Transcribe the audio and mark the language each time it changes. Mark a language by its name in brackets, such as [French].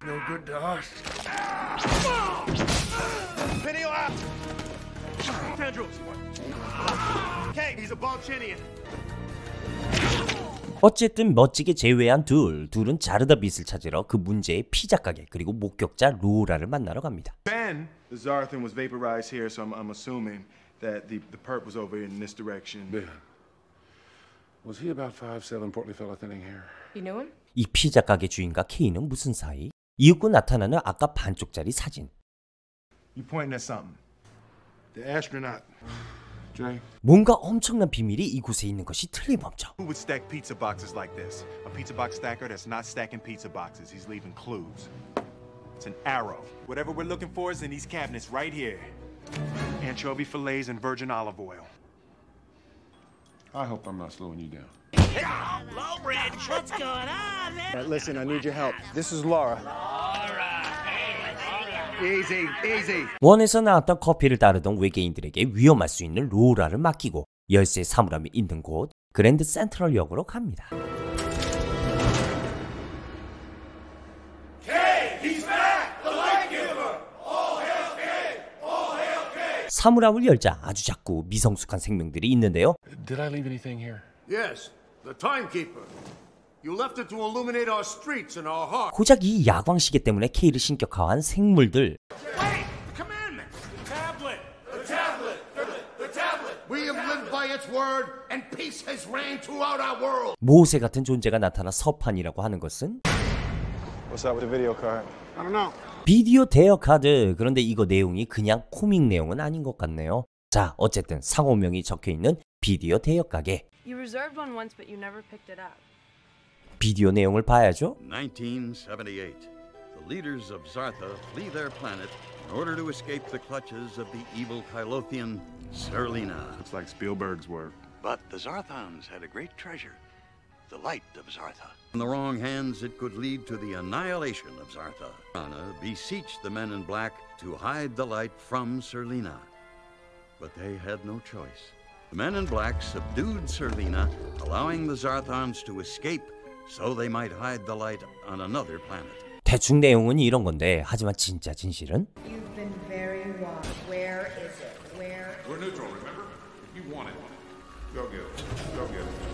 [English] No good to us. Video up. Tendrils. Kay, he's a Balchinian. [Korean] 어쨌든 멋지게 제외한 둘, 둘은 자르다 빛을 찾으러 그 문제의 피자 가게 그리고 목격자 로라를 만나러 갑니다. [English] Ben, the Zarathan was vaporized here, so I'm assuming that the perp was over in this direction. Ben, was he about 5'7 portly fella thinning hair? You know him? [Korean] 이 피자 가게 주인과 케이는 무슨 사이? 이윽고 나타나는 아까 반쪽짜리 사진. [English] You pointing at something? The astronaut. [Korean] 뭔가 엄청난 비밀이 이곳에 있는 것이 틀림없죠. [English] Who would stack pizza boxes like this? A pizza box stacker that's not stacking pizza boxes. He's leaving clues. It's an arrow. Whatever we're looking for is in these cabinets right here. Anchovy fillets and virgin olive oil. I hope I'm not slowing you down. Lowbridge, what's going on, man? Listen, I need your help. This is Laura. Laura. Easy, easy. [Korean] 원에서 나왔던 커피를 따르던 외계인들에게 위험할 수 있는 로라를 맡기고 열쇠 사물함이 있는 곳 그랜드 센트럴 역으로 갑니다. [English] K, he's back, the light giver. All hail K, all hail K. [Korean] 사물함을 열자 아주 작고 미성숙한 생명들이 있는데요. [English] Did I leave anything here? Yes, the timekeeper. You left it to illuminate our streets and our hearts. [Korean] 고작 이 야광 시계 때문에 K를 신격화한 생물들. [English] Wait, the commandment. The tablet. We have lived by its word and peace has reigned throughout our world. [Korean] 모세 같은 존재가 나타나 서판이라고 하는 것은 [English] What's up with the video card? I don't know. [Korean] 비디오 대여 카드. 그런데 이거 내용이 그냥 코믹 내용은 아닌 것 같네요. 자, 어쨌든 상호명이 적혀 있는 비디오 대여 가게. [English] You reserved one once but you never picked it up. [Korean] 비디오 내용을 봐야죠. [English] 1978. The leaders of Zartha flee their planet in order to escape the clutches of the evil Kylothian Serlina. It's like Spielberg's work. But the Zarthans had a great treasure, the light of Zartha. In the wrong hands, it could lead to the annihilation of Zartha. Rana beseeched the men in black to hide the light from Serlina. But they had no choice. The men in black subdued Serlina, allowing the Zarthans to escape. So they might hide the light on another planet. [Korean] 대충 내용은 이런 건데 하지만 진짜 진실은 [English] You've been very wrong. Where is it? Where? We're neutral, remember? If you want it. Go get it. Go get it.